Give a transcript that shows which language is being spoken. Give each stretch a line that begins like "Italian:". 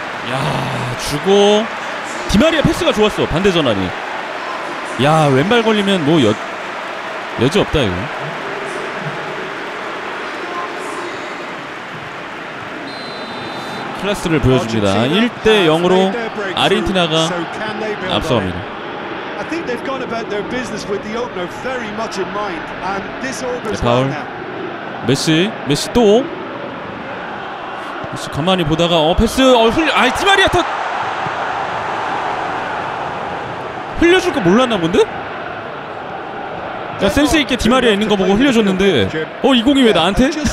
Korean: 야, 주고 디마리아 패스가 좋았어. 반대 전환이. 야, 왼발 걸리면 뭐 여지 없다 이거. 클래스를 보여줍니다. 1대 0으로 아르헨티나가 앞서갑니다.
English: I think they've gone about their business with the opener very much in mind and this order is now.
Korean: 메시, 메시 또. 메시 가만히 보다가 패스. 디마리아 터. 흘려줄 거 몰랐나 본데? 야, 센스 있게 디마리아 있는 거 보고 흘려줬는데 이 공이 왜 나한테?